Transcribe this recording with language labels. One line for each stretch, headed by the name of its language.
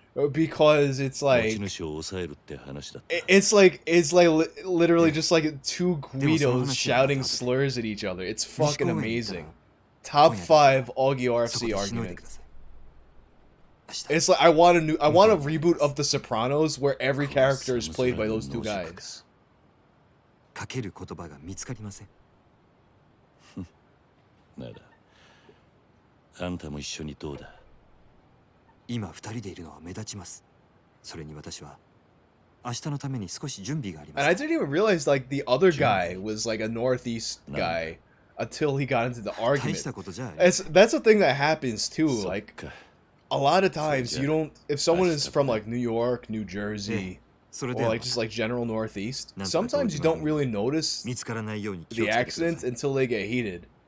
English: Because it's like literally just like two Guidos shouting slurs at each other. It's fucking amazing. Top 5 Augie RFC argument. It's like, I want a reboot of The Sopranos where every character is played by those two guys.
Japanese: ならあんたも一緒にどうだ。今二人でいるのは目立ちます。それに私は明日のために少し準備があります。
English: And I didn't even realize like the other guy was like a northeast guy until he got into the argument.
Japanese: 大したことじゃ。
English: That's a thing that happens too. Like a lot of times you don't, if someone is from like New York, New Jersey, or like just like general northeast, sometimes you don't really notice the accident until they get heated.